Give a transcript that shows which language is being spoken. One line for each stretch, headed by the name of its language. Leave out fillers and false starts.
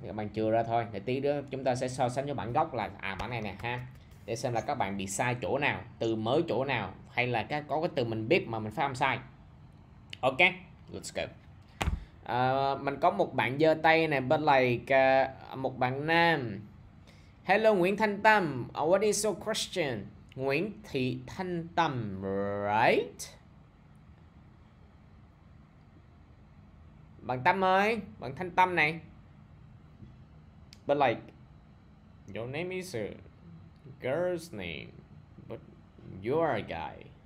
Vietnamese: Thì các bạn chừa ra thôi, để tí nữa chúng ta sẽ so sánh với bản gốc là à bản này nè ha, để xem là các bạn bị sai chỗ nào, từ mới chỗ nào, hay là các có cái từ mình biết mà mình phát âm sai. Ok,
English: let's go.
Vietnamese: Mình có một bạn giơ tay này, bên like một bạn nam.
English: Hello Nguyễn Thanh Tâm, what is your question? Nguyễn Thị Thanh Tâm, right?
Vietnamese: Bạn Tâm ơi, bạn Thanh Tâm này.
English: But like, your name is a girl's name, but you are a guy.